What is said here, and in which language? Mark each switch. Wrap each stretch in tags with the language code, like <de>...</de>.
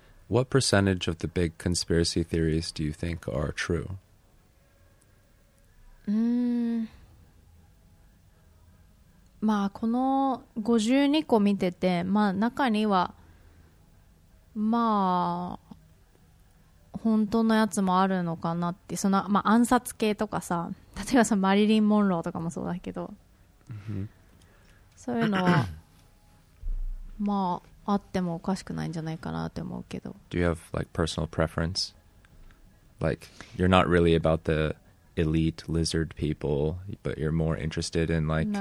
<en>What percentage of the big conspiracy theories do you think are true?</en> <ja>まあこの52個見てて、まあ中にはまあ本当のやつもあるのかなって、その、まあ、暗殺系とかさ、例えばそのマリリン・モンローとかもそうだけど、そういうのはまああってもおかしくないんじゃないかなって思うけど。</ja> <en>Do you have like personal preference? Like you're not really about the elite lizard people, but you're more interested in like,</en>